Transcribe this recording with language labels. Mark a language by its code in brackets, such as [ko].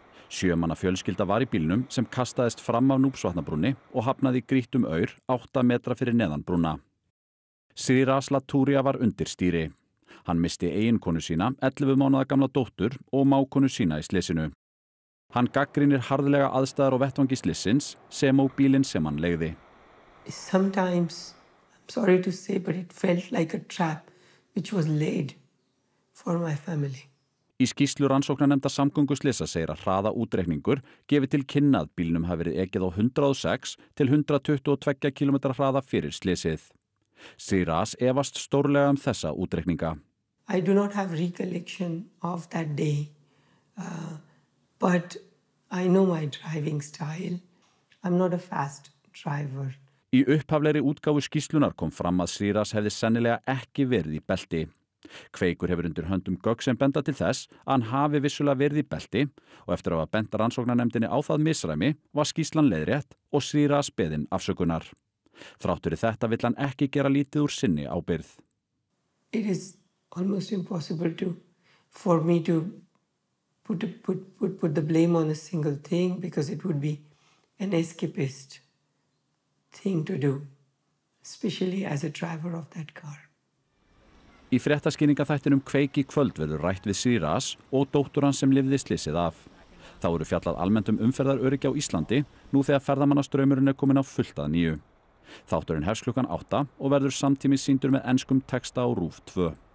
[is] Sjö manna fjölskylda var í bílnum sem kastaðist fram af Núpsvötnabrúnni og hafnaði í grýttum aur 8 metra fyrir neðan brúna. Sýr Asla Túria var undir stýri. Hann missti eiginkonu sína, 11 mánaða gamla dóttur og mákonu sína í slysinu. Hann gagnrýnir harðlega aðstæðar og vettvangi slyssins sem og bílinn sem hann leigði. [en] Sometimes, I'm sorry to say, but it felt like a trap which was laid for my family. [is] Í skýrslu rannsóknarnefndar samgönguslysa segir að hraða útreikningur gefi til kynna að bílnum hafi verið ekið á 106 til 122 km hraða fyrir slysið. Sýras efast stórlega þessa útreikninga. [en] I do not have recollection of that day, but I know my driving style. I'm not a fast driver. [is] Í upphaflegri útgáfu skýrslunar kom fram að Sýras hefði sennilega ekki verið í belti. Kveikur hefur undir höndum gögn sem benda til þess að hann hafi vissulega verið í belti og eftir að hafa bent rannsóknarnefndinni á það misræmi var skýrslan leiðrétt og Sýras beðinn afsökunar. Þrátt fyrir þetta vill hann ekki gera lítið úr sinni ábyrgð. [en] It is almost impossible to for me to put the blame on a single thing because it would be an escapist thing to do, especially as a driver of that car. [is] Í fréttaskýringaþættinum Kveik í kvöld verður rætt við Sýras og dóttur hans sem lifði slysið af. Þá eru fjallað almennt umferðaröryggi á Íslandi nú þegar ferðamannastraumurinn kominn á fullt að nýju. Þátturinn hefst klukkan 8 og verður samtímis sýndur með enskum texta á RÚV 2.